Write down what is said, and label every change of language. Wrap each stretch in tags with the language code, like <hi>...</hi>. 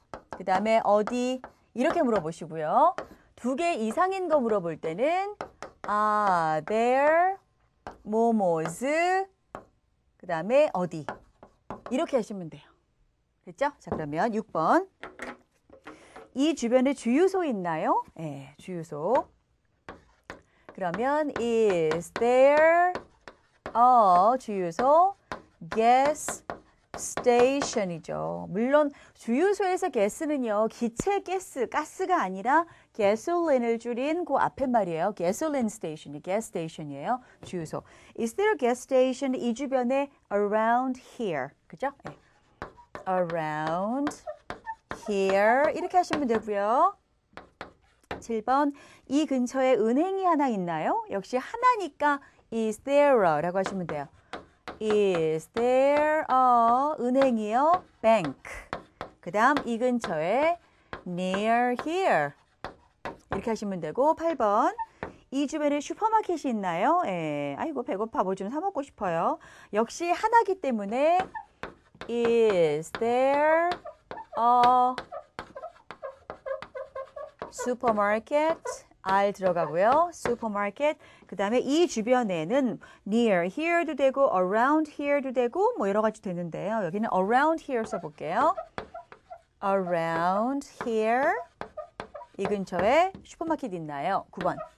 <ko>그 다음에 어디? 이렇게 물어보시고요. 두개 이상인 거 물어볼 때는</ko> <en>Are there</en> <ko>뭐뭐즈? 그 다음에 어디? 이렇게 하시면 돼요. 됐죠? 자, 그러면 6번. 이 주변에 주유소 있나요? 예, 네, 주유소.</ko> <en>그러면 is there a 주유소? Gas station이죠.</en> <ko>물론 주유소에서 gas는요, 기체 gas, 가스가 아니라 gasoline을 줄인 그 앞에 말이에요.</ko> <en>gasoline station이 gas station이에요.</en> <ko>주유소.</ko> <en>Is there a gas station</en> <ko>이 주변에</ko> <en>around here?</en> <ko>그죠? 네.</ko> <en>Around here</en> <ko>이렇게 하시면 되고요. 7번. 이 근처에 은행이 하나 있나요? 역시 하나니까</ko> <en>is there</en> <ko>라고 하시면 돼요.</ko> <en>Is there a</en> <ko>은행이요?</ko> <en>Bank.</en> <ko>그다음 이 근처에</ko> <en>near here.</en> <ko>이렇게 하시면 되고, 8번. 이 주변에 슈퍼마켓이 있나요? 예. 아이고, 배고파. 뭘좀사 먹고 싶어요. 역시 하나기 때문에</ko> <en>Is there a supermarket?</en> <ko>알 들어가고요. supermarket. 그다음에 이 주변에는</ko> <en>near here</en> <ko>도 되고</ko> <en>around here</en> <ko>도 되고 뭐 여러 가지 되는데요. 여기는</ko> <en>around here</en> <ko>써 볼게요. around here 이 근처에 슈퍼마켓 있나요? 9번.</ko>